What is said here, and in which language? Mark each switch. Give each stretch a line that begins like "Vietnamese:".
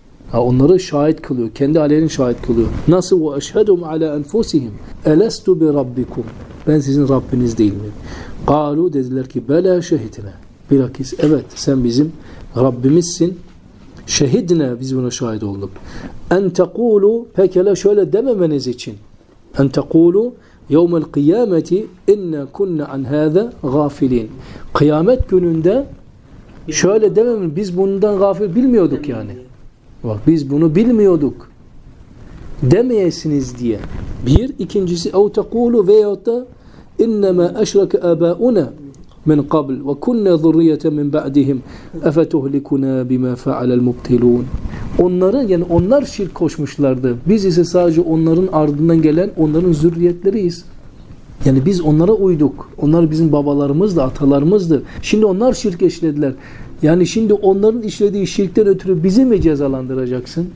Turkish: Ha onları şahit kılıyor. Kendi aleyhlerine şahit kılıyor. Nasıl bu
Arabic: eşhedum ala enfusihim elestu bi rabbikum.
Turkish: Ben sizin Rabbiniz değil miyim? Kalu dediler ki
Arabic: bela şehidine.
Turkish: Bilakis evet sen bizim Rabbimizsin. Şehidine biz buna şahit olduk.
Arabic: En tekulu
Turkish: pekala şöyle dememeniz için.
Arabic: En tekulu يَوْمَ الْقِيَامَةِ اِنَّا كُنَّ عَنْ هَذَا غَافِلِينَ.
Turkish: Kıyamet gününde şöyle dememiz, biz bundan gafil bilmiyorduk yani. Bak biz bunu bilmiyorduk. Demeyesiniz diye. Bir, ikincisi
Arabic: اَوْ تَقُولُ وَيَوْتَ اِنَّمَا اَشْرَكَ أَبَاؤُنَا مِنْ قَبْلِ وَكُنَّ ذُرِّيَّةَ مِنْ بَعْدِهِمْ اَفَتُهْلِكُنَا بِمَا فَعَلَ الْمُبْتِلُونَ.
Turkish: Onları yani onlar şirk koşmuşlardı. Biz ise sadece onların ardından gelen onların zürriyetleriyiz. Yani biz onlara uyduk. Onlar bizim babalarımızdı, atalarımızdı. Şimdi onlar şirk işlediler. Yani şimdi onların işlediği şirkten ötürü bizi mi cezalandıracaksın?